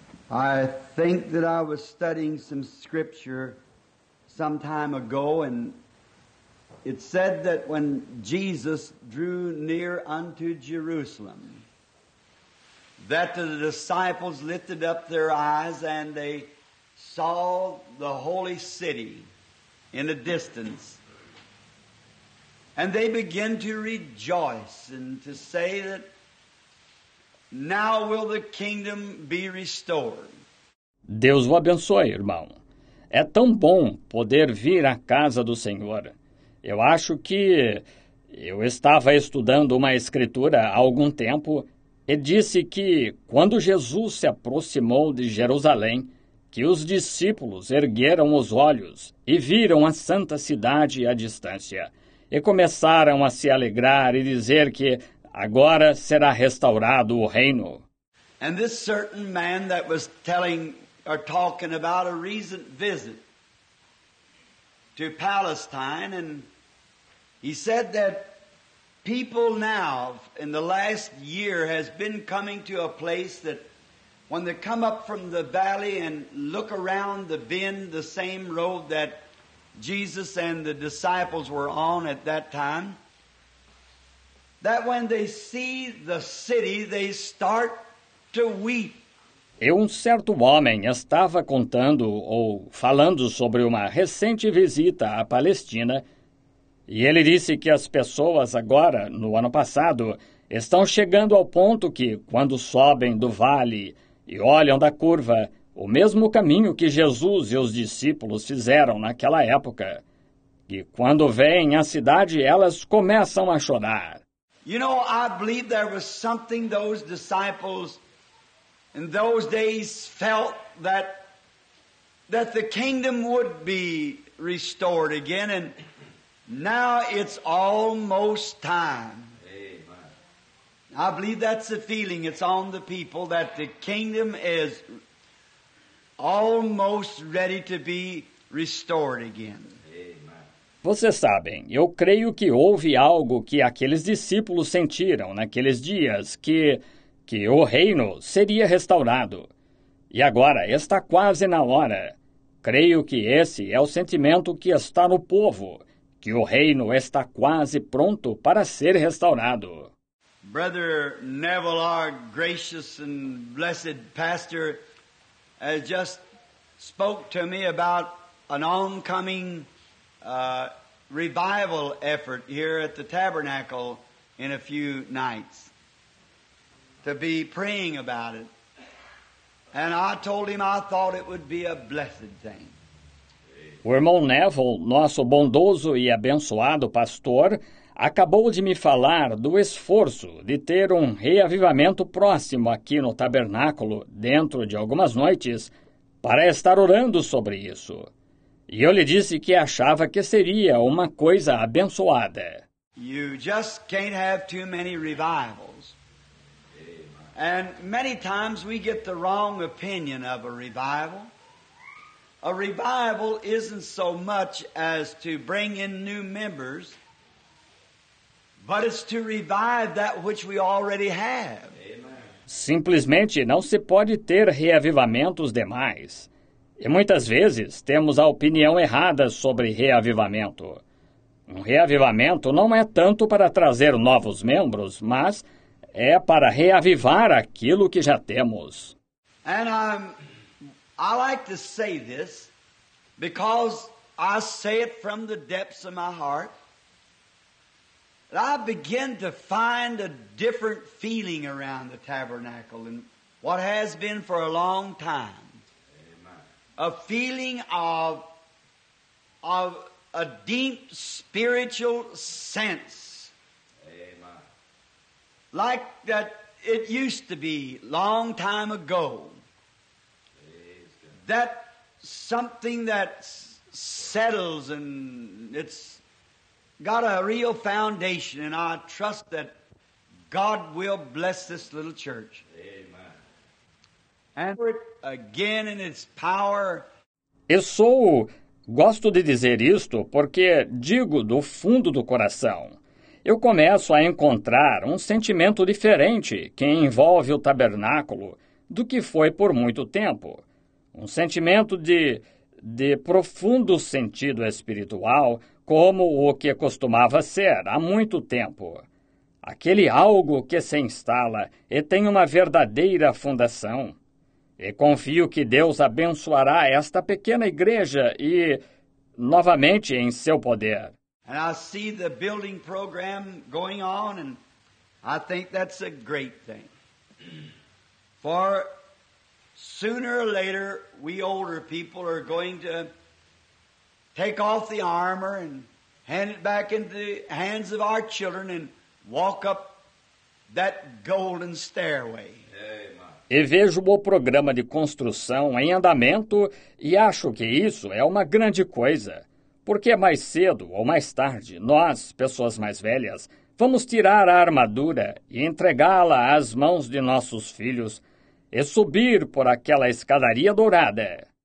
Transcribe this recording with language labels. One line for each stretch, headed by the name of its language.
English: I think that I was studying some scripture some time ago, and it said that when Jesus drew near unto Jerusalem, that the disciples lifted up their eyes and they saw the holy city in the distance. And they began to rejoice and to say that now will the kingdom be restored.
Portuguese: Deus o abençoe, irmão. É tão bom poder vir à casa do Senhor. Eu acho que eu estava estudando uma escritura há algum tempo e disse que quando Jesus se aproximou de Jerusalém, que os discípulos ergueram os olhos e viram a santa cidade à distância e começaram a se alegrar e dizer que agora será restaurado o reino.
English: And this certain man that was telling or talking about a recent visit to Palestine, and he said that people now in the last year has been coming to a place that when they come up from the valley and look around the bend, the same road that Jesus and the disciples were on at that time, that when they see the city, they start to weep.
Portuguese: E um certo homem estava contando ou falando sobre uma recente visita à Palestina, e ele disse que as pessoas agora, no ano passado, estão chegando ao ponto que, quando sobem do vale e olham da curva, o mesmo caminho que Jesus e os discípulos fizeram naquela época, e quando veem a cidade, elas começam a chorar.
English: You know, I believe there was something those disciples in those days felt that the kingdom would be restored again, and now it's almost time. I believe that's the feeling it's on the people, that the kingdom is almost ready to be restored again.
Portuguese: Vocês sabem, eu creio que houve algo que aqueles discípulos sentiram naqueles dias, que o reino seria restaurado. E agora está quase na hora. Creio que esse é o sentimento que está no povo, que o reino está quase pronto para ser restaurado.
English: Brother Neville, our gracious and blessed pastor, has just spoke to me about an oncoming revival effort here at the tabernacle in a few nights, to be praying about it. And I told him I thought it would be a blessed thing.
Portuguese: O irmão Neville, nosso bondoso e abençoado pastor, acabou de me falar do esforço de ter um reavivamento próximo aqui no tabernáculo dentro de algumas noites para estar orando sobre isso. E eu lhe disse que achava que seria uma coisa abençoada.
English: You just can't have too many revivals. And many times we get the wrong opinion of a revival. A revival isn't so much as to bring in new members, but it's to revive that which we already have. Amen.
Portuguese: Simplesmente não se pode ter reavivamentos demais. E muitas vezes temos a opinião errada sobre reavivamento. Um reavivamento não é tanto para trazer novos membros, mas é para reavivar aquilo que já temos.
English: And I like to say this because I say it from the depths of my heart. I begin to find a different feeling around the tabernacle than what has been for a long time. Amen. a feeling of a deep spiritual sense. Amen. Like that it used to be long time ago. That something that settles and it's got a real foundation, and I trust that God will bless this little church. Amen. And again in its power.
Portuguese: Eu sou, gosto de dizer isto porque digo do fundo do coração. Eu começo a encontrar um sentimento diferente que envolve o tabernáculo do que foi por muito tempo. Um sentimento de profundo sentido espiritual, como o que costumava ser há muito tempo. Aquele algo que se instala e tem uma verdadeira fundação. E confio que Deus abençoará esta pequena igreja e, novamente, em seu poder.
English: And I see the building program going on, and I think that's a great thing. For sooner or later, we older people are going to take off the armor and hand it back into the hands of our children and walk up that golden stairway.
Portuguese: E vejo o programa de construção em andamento e acho que isso é uma grande coisa. Porque mais cedo ou mais tarde, nós, pessoas mais velhas, vamos tirar a armadura e entregá-la às mãos de nossos filhos e subir por aquela escadaria dourada.